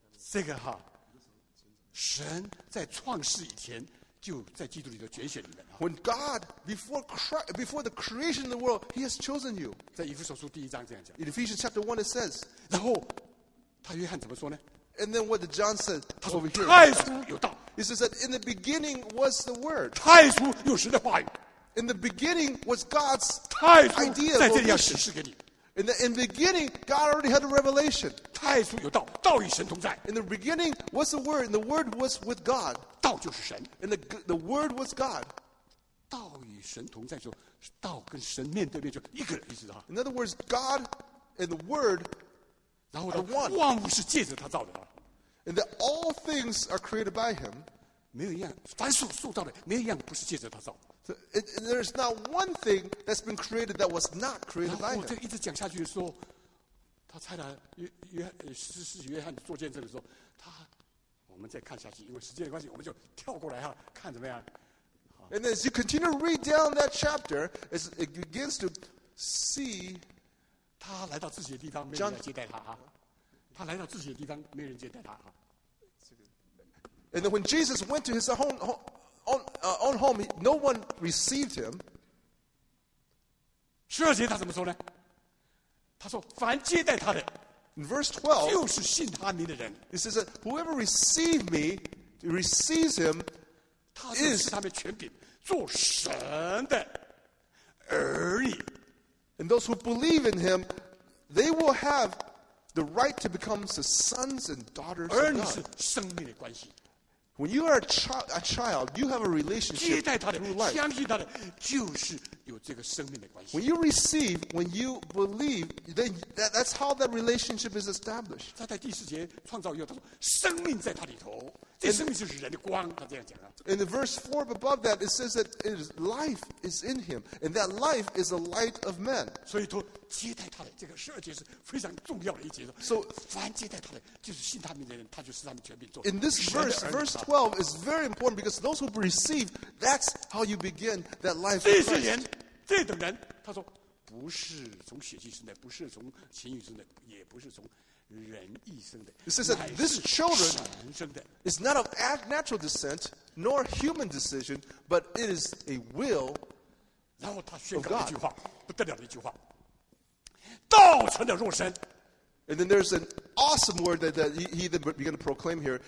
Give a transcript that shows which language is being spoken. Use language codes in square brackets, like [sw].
[zh] 这个哈，神在创世以前就在基督里头拣选你们。 [en] When God before the creation of the world, He has chosen you. [zh] 在以弗所书第一章这样讲。 [en] In Ephesians chapter 1 it says. [zh] 然后他约翰怎么说呢？ [en] And then what did John say? [zh] 他说太初有道。 [en] He says that in the beginning was the word. [zh] 太初有神的话语。 [en] In the beginning was God's idea of revelation. In the beginning, God already had a revelation. [zh] 太初有道，道与神同在。 [en] In the beginning was the Word, and the Word was with God. [zh] 道就是神。 [en] And the Word was God. [zh] 道与神同在，就道跟神面对面，就一个人，你知道吗 [en] ？In other words, God and the Word are one. [zh] 然后万物是借着他造的。 [en] And that all things are created by Him. [zh] 没有一样，凡所塑造的，没有一样不是借着他造的。 [en] So, there is not one thing that's been created that was not created by him. [zh] 我这一直讲下去的时候，他差点约翰做见证的时候，他我们再看下去，因为时间的关系，我们就跳过来哈，看怎么样。 [en] And as you continue to read down that chapter, as it begins to see, [zh] 他来到自己的地方，没人来接待他哈。他来到自己的地方，没人接待他哈。 [en] And then when Jesus went to his own home, no one received him. [zh] 十二节他怎么说呢？他说：“凡接待他的 [en] ，in verse 12, [zh] 就是信他名的人。 [en] ”He says, "Whoever received me, receives him is [zh] 他们全品做神的儿女。 [en] And those who believe in him, they will have the right to become the sons and daughters of God. [zh] 儿女是生命的关系。 [en] When you are a child, you have a relationship [zh] 接待他的 [en] through life. [zh] 相信他的就是有这个生命的关系。 [en] When you receive, when you believe, then that's how that relationship is established. [zh] 他在第四节创造以后，他说生命在他里头，这生命就是人的光，他这样讲了。 [en] In the verse 4 above that, it says that it is life is in him, and that life is the light of men. [zh] 所以说接待他的这个十二节是非常重要的一节。 [en] So, [zh] 凡接待他的就是信他名的人，他就是他们权柄做。 [en] In this verse, verse 12 is very important because those who receive, that's how you begin that life. [zh] 这些人，这等人，他说不是从血气生的，不是从情欲生的，也不是从人义生的。 [en] It says that this children is not of natural descent nor human decision, but it is a will of God. [zh] 然后他宣告一句话，不得了的一句话：道成的肉身。 [en] And then there's an awesome word that he then began to proclaim here.